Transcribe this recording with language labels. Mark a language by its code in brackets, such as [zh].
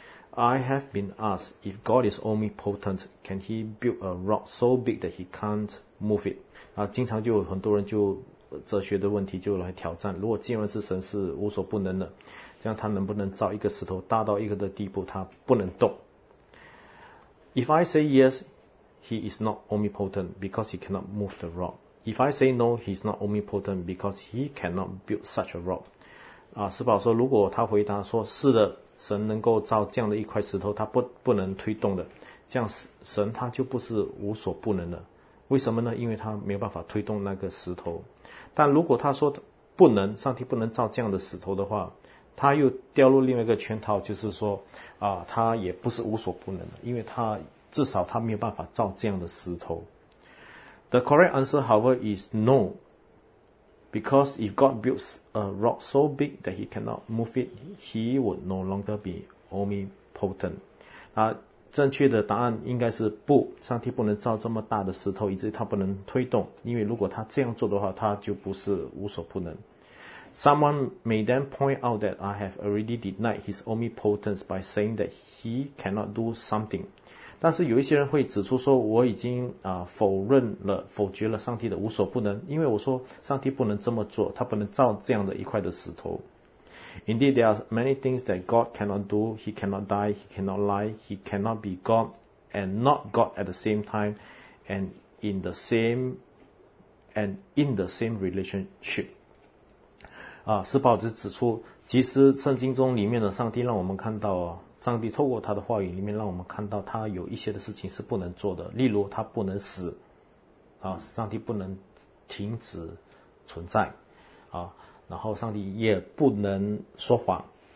[en] I have been asked if God is omnipotent, can he build a rock so big that he can't move it? [zh] 经常就有很多人就哲学的问题就来挑战，如果既然是神是无所不能的，这样他能不能造一个石头大到一个的地步他不能动？ [en] If I say yes, he is not omnipotent because he cannot move the rock. If I say no, he is not omnipotent because he cannot build such a rock. [zh] 斯宝说，如果他回答说是的，神能够造这样的一块石头，他不能推动的，这样神他就不是无所不能的。为什么呢？因为他没有办法推动那个石头。但如果他说不能，上帝不能造这样的石头的话，他又掉入另外一个圈套，就是说他也不是无所不能的，因为他至少他没有办法造这样的石头。 [en] The correct answer, however, is no. Because if God builds a rock so big that he cannot move it, he would no longer be omnipotent. [zh] 正确的答案应该是不，上帝不能造这么大的石头，以至于他不能推动，因为如果他这样做的话，他就不是无所不能。 [en] Someone may then point out that I have already denied his omnipotence by saying that he cannot do something. [zh] 但是有一些人会指出说，我已经否决了上帝的无所不能，因为我说上帝不能这么做，他不能造这样的一块的石头。 [en] Indeed, there are many things that God cannot do. He cannot die. He cannot lie. He cannot be God and not God at the same time and in the same relationship. [zh] 斯鲍就指出，其实圣经中里面的上帝让我们看到上帝透过他的话语里面让我们看到他有一些的事情是不能做的，例如他不能死上帝不能停止存在然后上帝也不能说谎